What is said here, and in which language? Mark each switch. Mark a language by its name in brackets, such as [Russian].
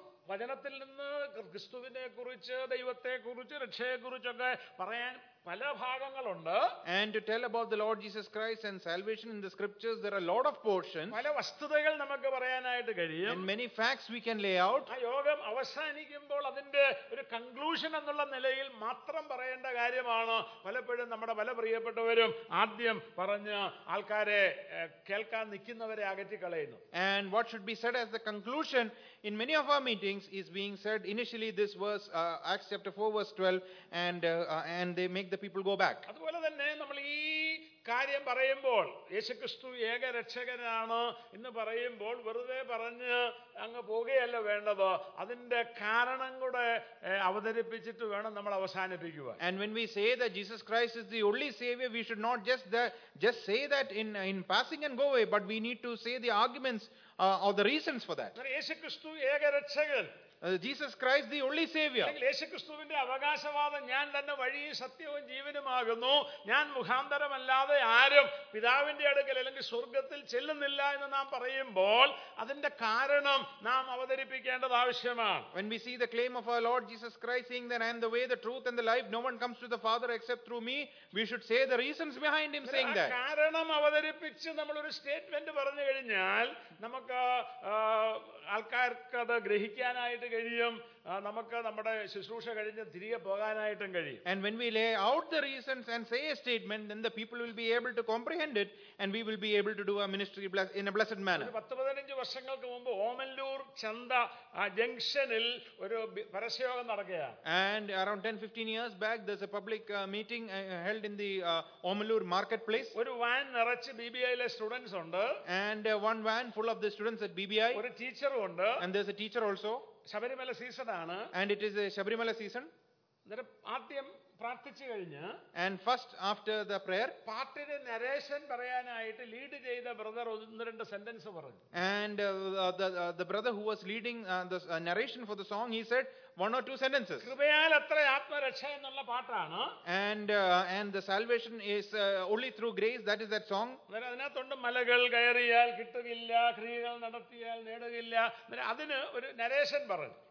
[Malayalam] വചനത്തിൽ നിന്ന് ക്രിസ്തുവിനെ കുറിച്ച്, ദൈവത്തെ കുറിച്ച്, രക്ഷയെ കുറിച്ചൊക്കെ പറയാൻ പല ഭാഗങ്ങളുണ്ട്. [English] And to tell about the Lord Jesus Christ and salvation in the scriptures, there are a lot of portions. [Malayalam] പല വസ്തുതകൾ നമുക്ക് പറയാനായിട്ട് കഴിയും. [English] And many facts we can lay out. [Malayalam] ആ യോഗം അവസാനിക്കുമ്പോൾ അതിന്റെ ഒരു കൺക്ലൂഷൻ എന്നുള്ള നിലയിൽ മാത്രം പറയേണ്ട കാര്യമാണ് പലപ്പോഴും നമ്മുടെ പല പ്രിയപ്പെട്ടവരും ആദ്യം പറഞ്ഞ് ആൾക്കാരെ കേൾക്കാൻ നിൽക്കുന്നവരെ അകറ്റിക്കളയുന്നു. [English] And what should be said as the conclusion in many of our meetings is being said initially this verse Acts chapter 4:12 and they make the people go back. [Malayalam] അതുപോലെ തന്നെ നമ്മൾ ഈ കാര്യം പറയുമ്പോൾ, യേശുക്രിസ്തു ഏക രക്ഷകനാണ് എന്ന് പറയുമ്പോൾ വെറുതെ പറഞ്ഞ് അങ്ങ് പോകുകയല്ല വേണ്ടത്. അതിന്റെ കാരണം കൂടെ അവതരിപ്പിച്ചിട്ട് വേണം നമ്മൾ അവസാനിപ്പിക്കുവാൻ. [English] And when we say that Jesus Christ is the only savior, we should not just say that in passing and go away, but we need to say the arguments or the reasons for that. [Malayalam] യേശുക്രിസ്തു ഏക രക്ഷകൻ. [English] Jesus Christ the only savior. [Malayalam] യേശുക്രിസ്തുവിന്റെ അവകാശവാദം, ഞാൻ തന്നെ വഴിയും സത്യവും ജീവനുമാകുന്നു, ഞാൻ മുഖാന്തരമല്ലാതെ ആരും പിതാവിന്റെ അടുക്കൽ അല്ലെങ്കിൽ സ്വർഗത്തിൽ ചെല്ലുന്നില്ല എന്ന് നാം പറയുമ്പോൾ അതിന്റെ കാരണം നാം അവതരിപ്പിക്കേണ്ടത് ആവശ്യമാണ്. [English] When we see the claim of our Lord Jesus Christ saying that I am the way, the truth and the life, no one comes to the Father except through me, we should say the reasons behind him saying that. [Malayalam] കാരണം അവതരിപ്പിച്ച് നമ്മൾ ഒരു statement പറഞ്ഞു കഴിഞ്ഞാൽ നമുക്ക് ആൾക്കാർക്കത് ഗ്രഹിക്കാനായിട്ട് കഴിയും, നമുക്ക് നമ്മുടെ ശുശ്രൂഷ കഴിഞ്ഞ് തിരികെ പോകാനായിട്ടും കഴിയും. [English] And when we lay out the reasons and say a statement, then the people will be able to comprehend it and we will be able to do our ministry in a blessed manner. [Malayalam] 10-15 വർഷങ്ങൾക്ക് മുമ്പ് ഓമല്ലൂർ ചന്ത ജംഗ്ഷനിൽ ഒരു പരസ്യയോഗം നടക്കുകയാണ്. [English] And around 10-15 years back there's a public meeting held in the Omallur marketplace. [Malayalam] ഒരു van നിറച്ച് BBIയിലെ students ഉണ്ട്. [English] And one van full of the students at BBI. [Malayalam] ഒരു ടീച്ചറും ഉണ്ട്. [English] And there's a teacher also. [Malayalam] Sabarimala season ആണ്. [English] And it is a Sabarimala season. [Malayalam] ആദ്യം പ്രാർത്ഥിച്ചു കഴിഞ്ഞ്, [English] And first after the prayer, [Malayalam] പാട്ടിന് നരേഷൻ പറയാനായിട്ട് ലീഡ് ചെയ്ത ബ്രദർ ഒന്ന് രണ്ട് സെന്റൻസ് പറഞ്ഞു. [English] And the brother who was leading the narration for the song, he said one or two sentences. [Malayalam] കൃപയാൽ അത്ര ആത്മരക്ഷ എന്നുള്ള പാട്ടാണ്. [English] And the salvation is only through grace, that is that song. [Malayalam] അതിനകത്തുണ്ട് മലകൾ കയറിയാൽ കിട്ടുകയില്ല, ക്രിയകൾ നടത്തിയാൽ നേടുകയില്ല, അതിന് ഒരു നരേഷൻ പറഞ്ഞു.